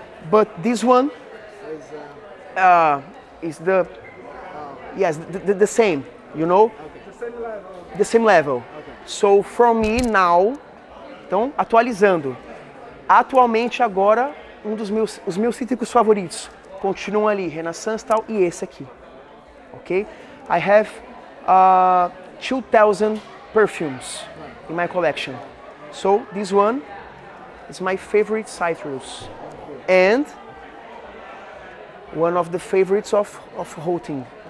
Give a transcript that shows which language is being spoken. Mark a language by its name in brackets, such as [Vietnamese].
[English] But this one is the, yes, the same, you know? The same level. So for me now, [Portuguese] então atualizando, atualmente agora um dos meus, os meus cítricos favoritos continuam ali, Renaissance tal e esse aqui, ok? [English] I have 2,000 perfumes in my collection, so this one is my favorite citrus and one of the favorites of Houting.